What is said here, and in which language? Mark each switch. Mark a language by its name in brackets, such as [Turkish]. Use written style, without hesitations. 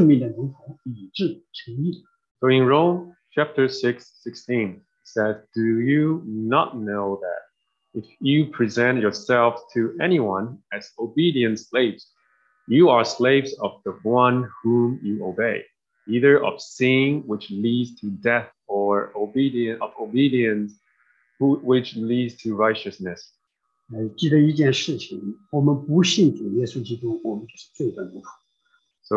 [Chinese] 所以在罗马书的第六章16节说，岂不晓得你们献上自己做奴仆，顺从谁就做谁的奴仆吗？或做罪的奴仆，以至于死；或做顺命的奴仆，以致成义。 [English] So in Rome, chapter 6, 16, it says, do you not know that if you present yourself to anyone as obedient slaves, you are slaves of the one whom you obey, either of sin which leads to death or obedience which leads to righteousness. [Chinese] 记得一件事情，我们不信主耶稣基督，我们就是罪的奴仆。So